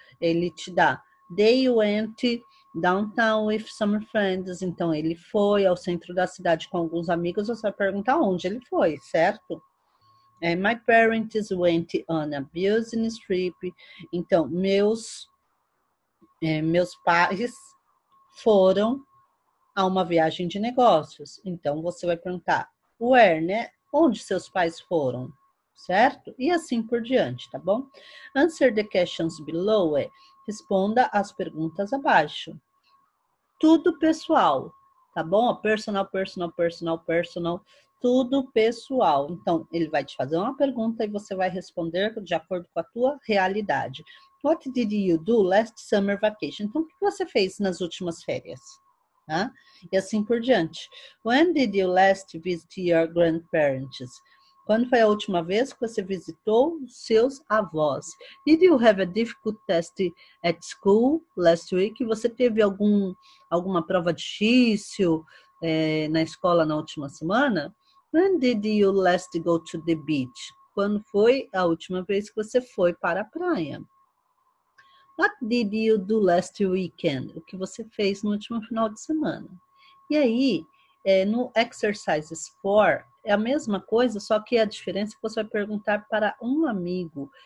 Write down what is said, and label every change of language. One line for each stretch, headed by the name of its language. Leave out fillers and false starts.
Portuguese: Ele te dá,
English: they went downtown with some friends.
Portuguese: Então, ele foi ao centro da cidade com alguns amigos. Você vai perguntar onde ele foi, certo?
English: My parents went on a business trip.
Portuguese: Então, meus pais foram a uma viagem de negócios. Então, você vai perguntar, where, né? Onde seus pais foram? Certo? E assim por diante, tá bom?
English: Answer the questions below
Portuguese: é responda as perguntas abaixo. Tudo pessoal, tá bom?
English: Personal, personal, personal, personal,
Portuguese: tudo pessoal. Então, ele vai te fazer uma pergunta e você vai responder de acordo com a tua realidade.
English: What did you do last summer vacation?
Portuguese: Então, o que você fez nas últimas férias? Tá? E assim por diante.
English: When did you last visit your grandparents?
Portuguese: Quando foi a última vez que você visitou seus avós?
English: Did you have a difficult test at school last week?
Portuguese: Você teve alguma prova difícil na escola na última semana?
English: When did you last go to the beach?
Portuguese: Quando foi a última vez que você foi para a praia?
English: What did you do last weekend?
Portuguese: O que você fez no último final de semana? E aí, no exercises 4, é a mesma coisa, só que a diferença é que você vai perguntar para um amigo.